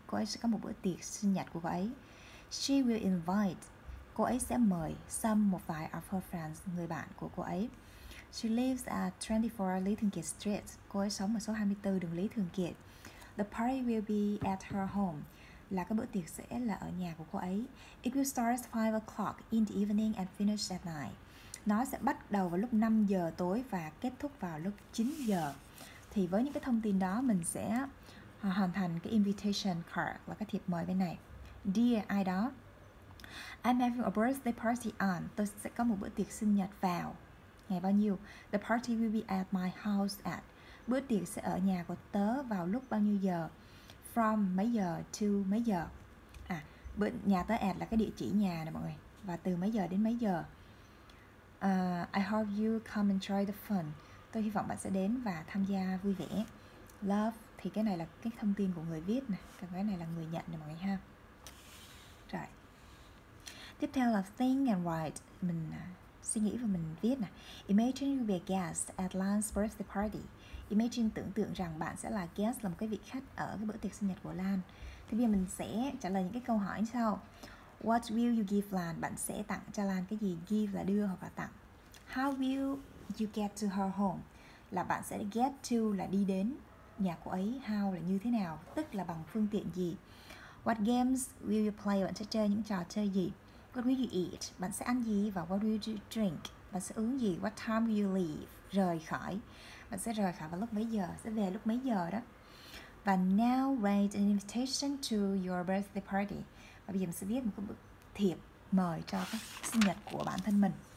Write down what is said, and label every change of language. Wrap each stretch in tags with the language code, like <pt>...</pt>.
<vi>Cô ấy sẽ có một bữa tiệc sinh nhật của cô ấy.</vi> <en>She will invite.</en> <vi>Cô ấy sẽ mời some một vài of her friends, người bạn của cô ấy.</vi> <en>She lives at 24 Lý Thường Kiệt Street.</en> <vi>Cô ấy sống ở số 24 đường Lý Thường Kiệt.</vi> <en>The party will be at her home.</en> <vi>Là cái bữa tiệc sẽ là ở nhà của cô ấy.</vi> <en>It will start at 5 o'clock in the evening and finish at 9.</en> <vi>Nó sẽ bắt đầu vào lúc 5 giờ tối và kết thúc vào lúc 9 giờ. Thì với những cái thông tin đó mình sẽ hoàn thành cái invitation card và cái thiệp mời bên này.</vi> <en>Dear</en> <vi>ai đó,</vi> <en>I'm having a birthday party on.</en> <vi>Tôi sẽ có một bữa tiệc sinh nhật vào ngày bao nhiêu?</vi> <en>The party will be at my house at.</en> <vi>Bữa tiệc sẽ ở nhà của tớ vào lúc bao nhiêu giờ? From mấy giờ to mấy giờ? À, bữa nhà tớ at là cái địa chỉ nhà nè mọi người. Và từ mấy giờ đến mấy giờ?</vi> <en>I hope you come and try the fun.</en> <vi>Tôi hy vọng bạn sẽ đến và tham gia vui vẻ. Love thì cái này là cái thông tin của người viết nè, còn cái này là người nhận nè mọi người ha. Rồi. Tiếp theo là think and write. Mình suy nghĩ và mình viết nè.</vi> <en>Imagine you'll be a guest at Lan's birthday party.</en> <vi>Imagine tưởng tượng rằng bạn sẽ là guest, là một cái vị khách ở cái bữa tiệc sinh nhật của Lan. Thì bây giờ mình sẽ trả lời những cái câu hỏi sau.</vi> <en>What will you give Lan?</en> <vi>Bạn sẽ tặng cho Lan cái gì? Give là đưa hoặc là tặng.</vi> <en>How will you get to her home?</en> <vi>Là bạn sẽ get to là đi đến nhà cô ấy. How là như thế nào? Tức là bằng phương tiện gì? What games will you play? Bạn sẽ chơi những trò chơi gì?</vi> <en>What will you eat?</en> <vi>Bạn sẽ ăn gì? Và</vi> <en>what will you drink?</en> <vi>Bạn sẽ uống gì?</vi> <en>What time will you leave?</en> <vi>Rời khỏi. Bạn sẽ rời khỏi vào lúc mấy giờ? Sẽ về lúc mấy giờ đó?</vi> <en>Và now write an invitation to your birthday party.</en> <vi>Và bây giờ mình sẽ viết một cái bức thiệp mời cho cái sinh nhật của bản thân mình.</vi>